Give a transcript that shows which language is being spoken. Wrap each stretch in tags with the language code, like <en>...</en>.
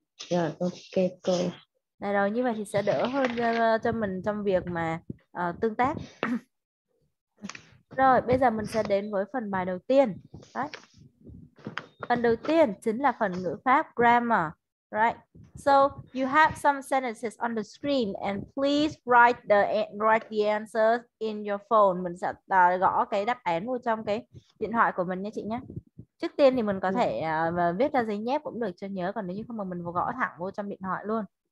<vi>Rồi, ok cô. Đây rồi, như vậy thì sẽ đỡ hơn cho mình trong việc mà tương tác. Rồi bây giờ mình sẽ đến với phần bài đầu tiên. Đấy. Phần đầu tiên chính là phần ngữ pháp grammar.</vi> <en>Right. So you have some sentences on the screen and please write the answers in your phone.</en> <vi>Mình sẽ gõ cái đáp án vô trong cái điện thoại của mình nha chị nhé. Trước tiên thì mình có thể viết ra giấy nhép cũng được cho nhớ, còn nếu như không mà mình vô gõ thẳng vô trong điện thoại luôn.</vi>